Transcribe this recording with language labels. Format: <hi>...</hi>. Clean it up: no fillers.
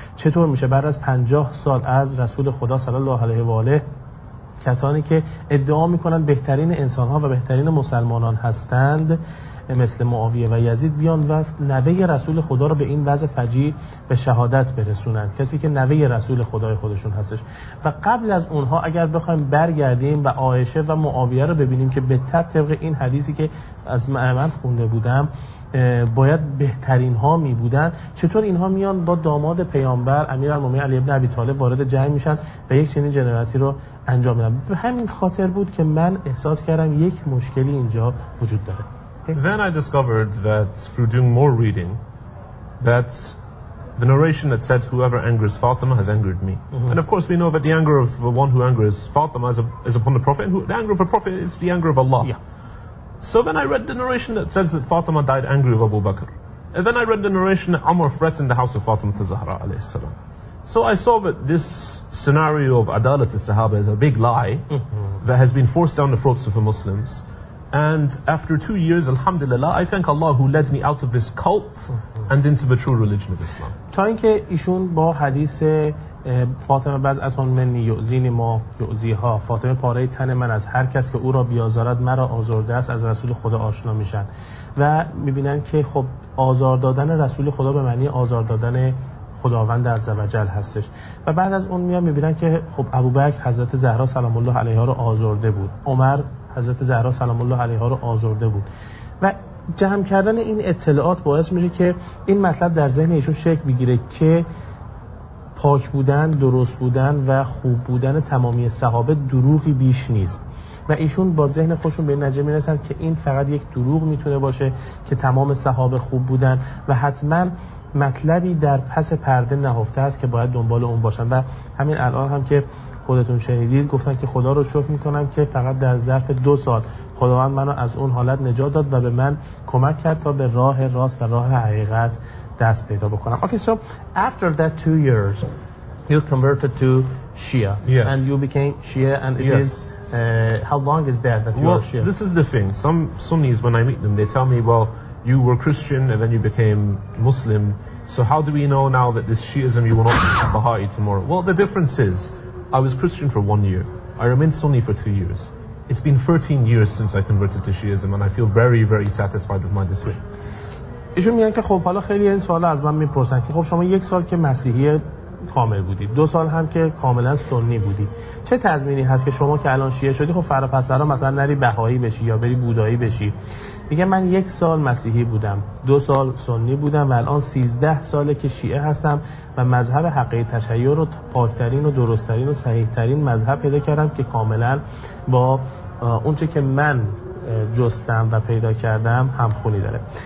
<fa>چطور میشه بعد از 50 سال از رسول خدا صلی الله علیه و آله کسانی که ادعا میکنن بهترین انسان ها و بهترین مسلمانان هستند مثل معاویه و یزید بیان و نوه رسول خدا رو به این وضع فجیع به شهادت برسونند، کسی که نوه رسول خدای خودشون هستش، و قبل از اونها اگر بخوایم برگردیم و عایشه و معاویه رو ببینیم که به طبق این حدیثی که از من خونده بودم باید بهترین ها می بودن، چطور اینها میان با داماد پیامبر امیرالمومنین علی ابن ابی طالب وارد جنگ میشن و یک چنین جنایتی رو انجام میدن؟ به همین خاطر بود که من احساس کردم یک مشکلی اینجا وجود داره.</fa> <en>Then I discovered that through doing more reading that the narration that said whoever angers Fatima has angered me. Mm-hmm. And of course we know that the anger of the one who angers Fatima is upon the Prophet, and the anger of the Prophet is the anger of Allah. Yeah. So then I read the narration that says that Fatima died angry with Abu Bakr. And then I read the narration that Umar threatened the house of Fatima to Zahra alayhi salam. So I saw that this scenario of Adalat al-Sahaba is a big lie that has been forced down the throats of the Muslims. And after 2 years, alhamdulillah, I thank Allah who led me out of this cult and into the true religion of Islam. تا اینکه ایشون با حدیث</en> <ar>فاطمه بزعتون من یعزین ما یعزیها،</ar> <en>فاطمه پاره تن من از هر کس که او را بیازارد مرا آزارده است، از رسول خدا آشنا میشن و میبینن که خب آزار دادن رسول خدا به معنی آزار دادن خداوند عز و جل هستش، و بعد از اون میان میبینن که خب ابوبکر حضرت زهرا سلام الله علیها را آزارده بود، عمر حضرت زهرا سلام الله علیها رو آزرده بود. و جمع کردن این اطلاعات باعث میشه که این مطلب در ذهن ایشون شکل بگیره که پاک بودن، درست بودن و خوب بودن تمامی صحابه دروغی بیش نیست. و ایشون با ذهن خودشون به نتیجه میرسن که این فقط یک دروغ میتونه باشه که تمام صحابه خوب بودن و حتما مطلبی در پس پرده نهفته است که باید دنبال اون باشن. و همین الان هم که خودتون شنیدید گفتن که خدا رو شکر میکنم که فقط در ظرف 2 سال خداوند منو از اون حالت نجات داد و به من کمک کرد تا به راه راست و راه حقیقت دست پیدا بکنم. Okay, so after that 2 years you converted to Shia. Yes. And you became Shia and it yes. is how long is that that you well, are Shia? This is the thing. Some Sunnis when I meet them they tell me, well, you were Christian and then you became Muslim. So how do we know now that this Shiism you will not become Baha'i tomorrow? Well, the difference is I was Christian for 1 year. I remained Sunni for 2 years. It's been 13 years since I converted to Shiism and I feel very, very satisfied with my decision.</en> <fa>ایشون میگن که خب حالا خیلی این سوال از من میپرسن که خب شما 1 سال که مسیحی کامل بودید، 2 سال هم که کاملا سنی بودید، چه تضمینی هست که شما که الان شیعه شدی خب فراپسرا مثلا نری بهایی بشی یا بری بودایی بشی؟ میگه من 1 سال مسیحی بودم، 2 سال سنی بودم و الان 13 ساله که شیعه هستم و مذهب حقه تشیع رو پاکترین و درستترین و صحیحترین مذهب پیدا کردم که کاملا با اونچه که من جستم و پیدا کردم همخونی داره.</fa>